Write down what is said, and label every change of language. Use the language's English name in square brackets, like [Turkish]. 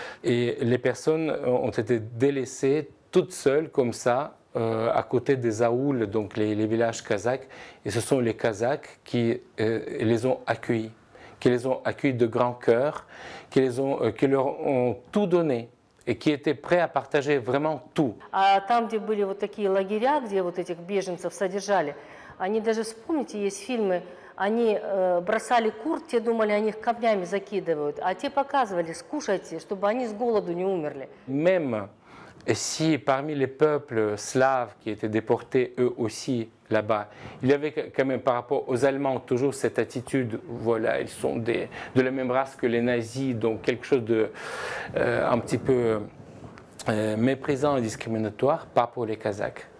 [French] Et les personnes ont été délaissées toutes seules comme ça, à côté des aouls, donc les villages kazakhs. Et ce sont les Kazakhs qui les ont accueillis, qui les ont accueillis de grand cœur, qui leur ont tout donné et qui étaient prêts à partager vraiment tout. [Russian] À там, где были вот такие лагеря, где вот этих беженцев содержали, они даже, вспомните, есть фильмы, они бросали кур, те думали, они их камнями закидывают, а те показывали, скушайте, чтобы они с голоду не умерли. [French] Même si parmi les peuples slaves qui étaient déportés eux aussi là-bas, il y avait quand même par rapport aux Allemands toujours cette attitude, voilà, ils sont de la même race que les nazis, donc quelque chose de un petit peu méprisant et discriminatoire, pas pour les Kazakhs.